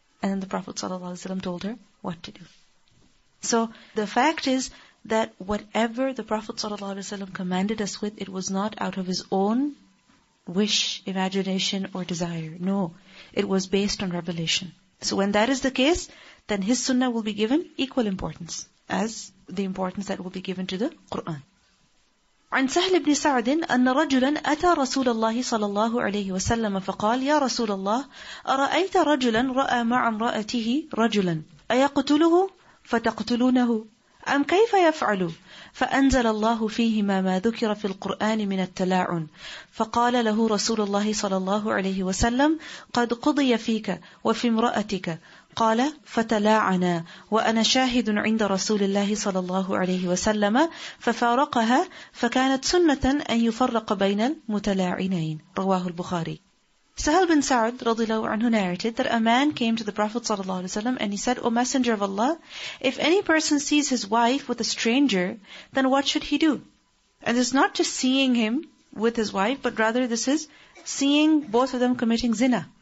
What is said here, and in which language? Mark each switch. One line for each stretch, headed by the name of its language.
English: And then the Prophet ﷺ told her what to do. So the fact is that whatever the Prophet ﷺ commanded us with, it was not out of his own wish, imagination or desire. No, it was based on revelation. So when that is the case, then his sunnah will be given equal importance as the importance that will be given to the Qur'an.
Arabic: عن سهل بن سعد أن رجلا أتى رسول الله صلى الله عليه وسلم فقال يا رسول الله أرأيت رجلا رأى مع امرأته رجلا أيقتله فتقتلونه أم كيف يفعل فأنزل الله فيهما ما ذكر في القرآن من التلاعن فقال له رسول الله صلى الله عليه وسلم قد قضي فيك وفي امرأتك قال فتلاعنا وأنا شاهد عند رسول الله صلى الله عليه وسلم ففارقها فكانت سنة أن يفرق بين المتلاعنين رواه البخاري.
English: Sahal bin Sa'd
Arabic: رضي الله عنه
English: narrated that a man came to the Prophet
Arabic: صلى الله عليه وسلم
English: and he said, O Messenger of Allah, if any person sees his wife with a stranger, then what should he do? And it's not just seeing him with his wife, but rather this is seeing both of them committing zina.